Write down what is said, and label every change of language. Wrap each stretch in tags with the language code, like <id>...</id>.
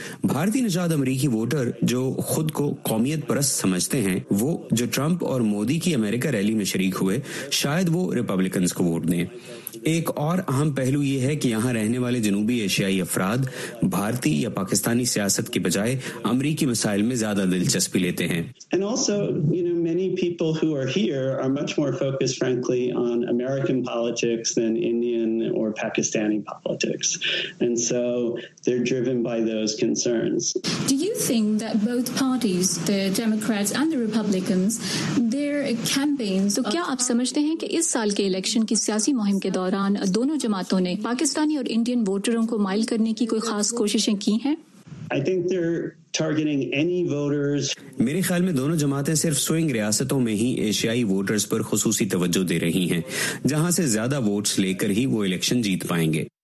<ur>بھارتی نژاد امریکی ووٹر جو خود کو قومیت پرست سمجھتے ہیں، وہ جو ٹرمپ اور مودی کی امریکہ ریلی میں شریک ہوئے، شاید وہ ریپبلکنز کو ووٹ دیں۔ ایک اور اہم پہلو یہ ہے کہ یہاں رہنے والے جنوبی ایشیائی افراد بھارتی یا پاکستانی سیاست کے بجائے امریکی مسائل میں زیادہ دلچسپی لیتے ہیں۔</ur> <en>And also, you know, many people who are here are much more focused, frankly, on American politics than Indian or Pakistani politics. And so they're driven by those concerns. Do you think that both parties, the Democrats and the Republicans, their campaigns...</en> <ur>تو کیا آپ سمجھتے ہیں کہ اس سال کے election کی سیاسی مہم کے دوران دونوں جماعتوں نے پاکستانی اور انڈین ووٹروں کو مائل کرنے کی کوئی خاص کوششیں کی ہیں؟</ur> <en>I think they're targeting any voters.</en> <ur>میرے خیال میں دونوں جماعتیں صرف سوئنگ ریاستوں میں ہی ایشیائی ووٹرز پر خصوصی توجہ دے رہی ہیں، جہاں سے زیادہ ووٹس لے کر ہی وہ الیکشن جیت پائیں گے۔</ur>